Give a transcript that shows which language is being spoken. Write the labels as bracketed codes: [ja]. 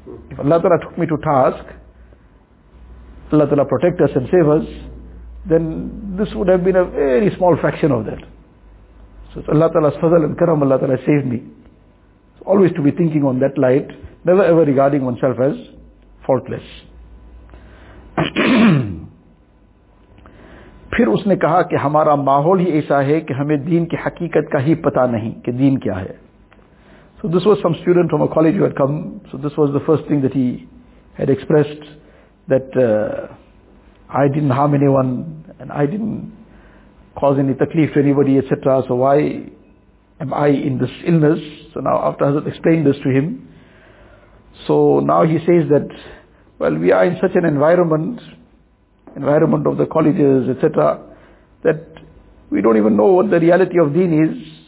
[en] If Allah Ta'ala took me to task, Allah Ta'ala protect us and save us, then this would have been a very small fraction of that. So it's Allah Ta'ala's fadal and karam, Allah Ta'ala saved me. It's always to be thinking on that light, never ever regarding oneself as faultless. [ur] پھر اس نے کہا کہ ہمارا ماحول ہی ایسا ہے کہ ہمیں دین کی حقیقت کا ہی پتا نہیں کہ دین کیا ہے. [en] So this was some student from a college who had come. So this was the first thing that he had expressed, that I didn't harm anyone and I didn't cause any takleef to anybody, etc. So why am I in this illness? So now after Hazrat explained this to him, so now he says that, well, we are in such an environment of the colleges, etc., that we don't even know what the reality of deen is.